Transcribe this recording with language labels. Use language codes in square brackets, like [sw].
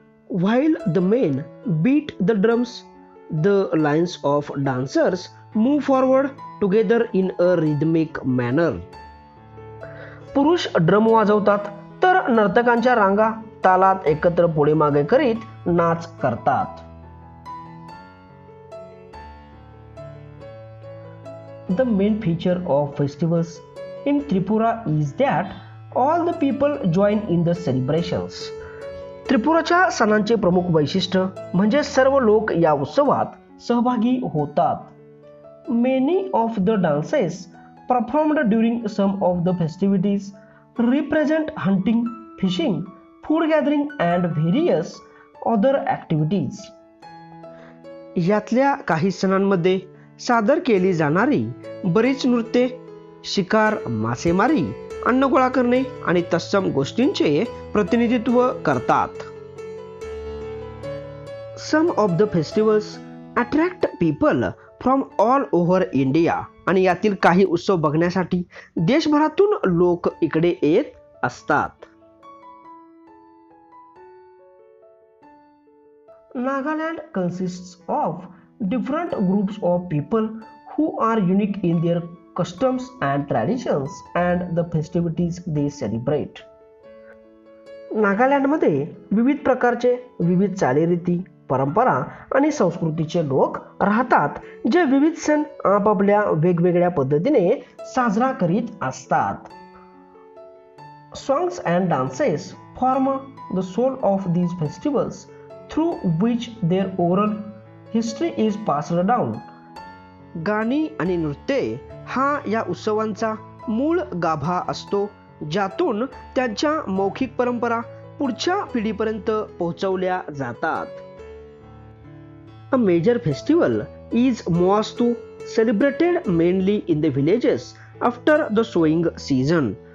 [en] While the men beat the drums, the lines of dancers move forward together in a rhythmic manner. [mr] पुरुष drum वाजवतात तर नर्तकांच्या रांगा तालात एकत्र पुढे मागे करीत नाच करतात. [en] The main feature of festivals in Tripura is that all the people join in the celebrations. [mr] त्रिपुराच्या सणांचे प्रमुख वैशिष्ट्य म्हणजे सर्व लोक या उत्सवात सहभागी होतात. [en] Many of the dances performed during some of the festivities represent hunting, fishing, food gathering and various other activities. [mr] यातल्या काही सणांमध्ये सादर केली जाणारी बरीच नृत्ये, शिकार, मासेमारी, अन्न गोळा करणे आणि तत्सम गोष्टींचे प्रतिनिधित्व करतात. [en] some of the festivals attract people from all over India [mr] आणि यातील काही उत्सव बघण्यासाठी देशभरातून लोक इकडे येत असतात. [en] Nagaland consists of different groups of people who are unique in their customs and traditions and the festivities they celebrate. [mr] Nagaland मध्ये विविध प्रकारचे विविध चालीरीती, परंपरा आणि संस्कृतीचे लोक राहतात जे विविध सण आपापल्या वेगवेगळ्या पद्धतीने साजरा करीत असतात. [en] Songs and dances form the soul of these festivals, through which their oral history is passed down. [mr] गाणी आणि नृत्य हा या उत्सवांचा मूळ गाभा असतो ज्यातून त्यांच्या मौखिक परंपरा पुढच्या पिढीपर्यंत पोहोचवल्या जातात. [en] A major festival is Moastu celebrated mainly in the villages after the sowing season.